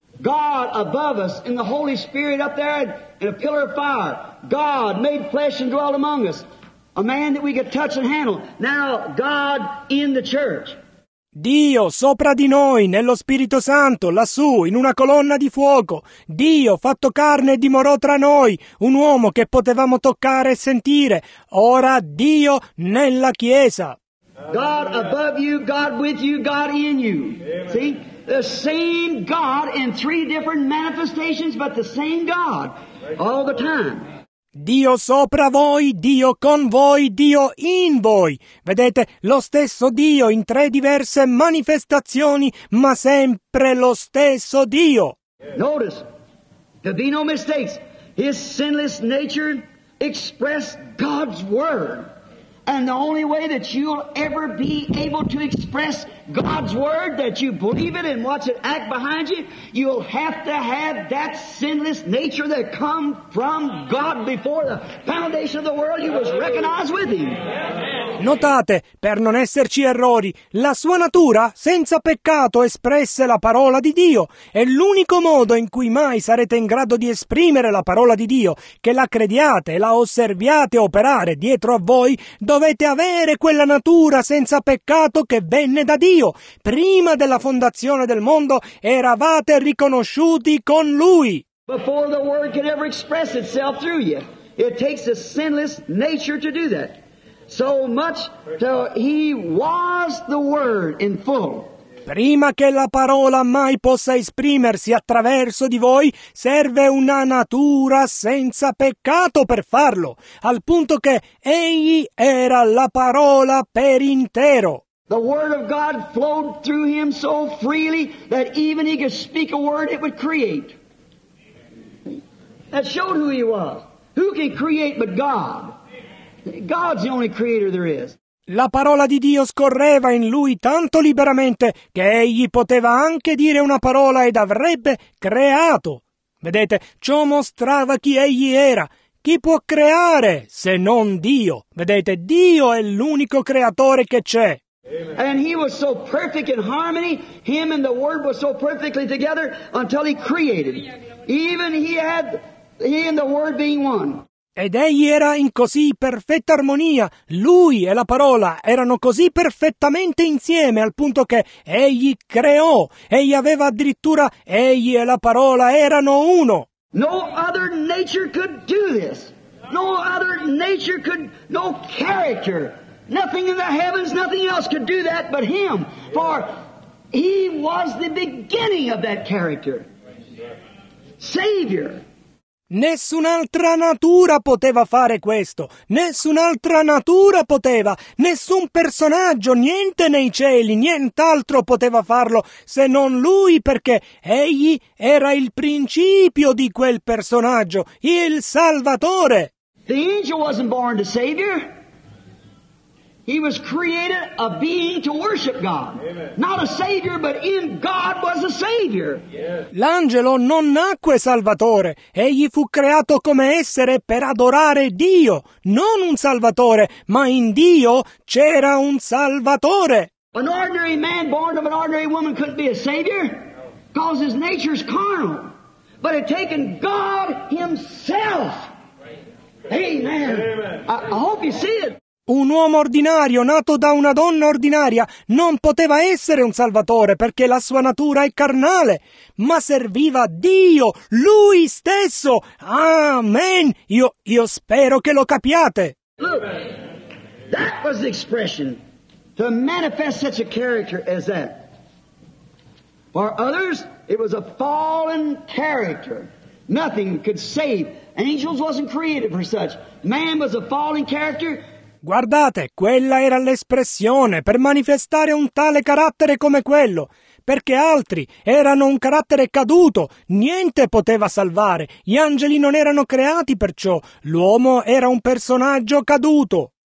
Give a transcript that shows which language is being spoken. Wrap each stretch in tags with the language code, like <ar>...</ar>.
<en>God above us, in the Holy Spirit up there, in a pillar of fire. God made flesh and dwelt among us. A man that we could touch and handle. Now, God in the church.</en> <it>Dio sopra di noi, nello Spirito Santo, lassù, in una colonna di fuoco. Dio fatto carne e dimorò tra noi, un uomo che potevamo toccare e sentire. Ora Dio nella Chiesa.</it> <en>God above you, God with you, God in you. See? The same God in three different manifestations, but the same God all the time.</en> <it>Dio sopra voi, Dio con voi, Dio in voi. Vedete, lo stesso Dio in tre diverse manifestazioni, ma sempre lo stesso Dio.</it> <en>Notice, there be no mistakes. His sinless nature expressed God's word. And the only way that you'll ever be able to express God's word, that you believe it and watch it act behind you, you'll have to have that sinless nature that come from God before the foundation of the world. You was recognized with him.</en> <it>Notate, per non esserci errori, la sua natura senza peccato espresse la parola di Dio. È l'unico modo in cui mai sarete in grado di esprimere la parola di Dio, che la crediate e la osserviate operare dietro a voi. Dovete avere quella natura senza peccato che venne da Dio. Prima della fondazione del mondo eravate riconosciuti con Lui.</it> <en>Before the word can ever express itself through you, it takes a sinless nature to do that. So much till he was the word in full.</en> <it>Prima che la parola mai possa esprimersi attraverso di voi, serve una natura senza peccato per farlo, al punto che egli era la parola per intero.</it> <en>The word of God flowed through him so freely that even he could speak a word it would create. That showed who he was. Who can create but God? God's the only creator there is.</en> <it>La parola di Dio scorreva in lui tanto liberamente che egli poteva anche dire una parola ed avrebbe creato. Vedete, ciò mostrava chi egli era. Chi può creare se non Dio? Vedete, Dio è l'unico creatore che c'è.</it> <en>And he was so perfect in harmony, him and the word was so perfectly together until he created. Even he had he and the word being one.</en> <it>Ed egli era in così perfetta armonia, lui e la parola erano così perfettamente insieme al punto che egli creò, egli aveva addirittura, egli e la parola erano uno.</it> <en>No other nature could do this, no other nature could, no character, nothing in the heavens, nothing else could do that but him, for he was the beginning of that character, Savior.</en> <it>Nessun'altra natura poteva fare questo, nessun'altra natura poteva, nessun personaggio, niente nei cieli, nient'altro poteva farlo se non lui, perché egli era il principio di quel personaggio, il Salvatore.</it> <en>The angel wasn't born the Savior. He was created a being to worship God. Amen. Not a savior, but in God was a savior. Yes.</en> <it>L'angelo non nacque salvatore. Egli fu creato come essere per adorare Dio. Non un salvatore, ma in Dio c'era un salvatore.</it> <en>An ordinary man born of an ordinary woman couldn't be a savior, because his nature is carnal. But it taken God himself. Amen. Amen. I hope you see it.</en> <it>un uomo ordinario, nato da una donna ordinaria, non poteva essere un salvatore perché la sua natura è carnale, ma serviva Dio, Lui stesso. Amen! Io spero che lo capiate.</it> <en>Look, that was the expression to manifest such a character as that. For others, it was a fallen character. Nothing could save. Angels wasn't created for such. Man was a fallen character.</en> <it>Guardate, quella era l'espressione per manifestare un tale carattere come quello. Perché altri erano un carattere caduto. Niente poteva salvare. Gli angeli non erano creati per ciò. L'uomo era un personaggio caduto.</it>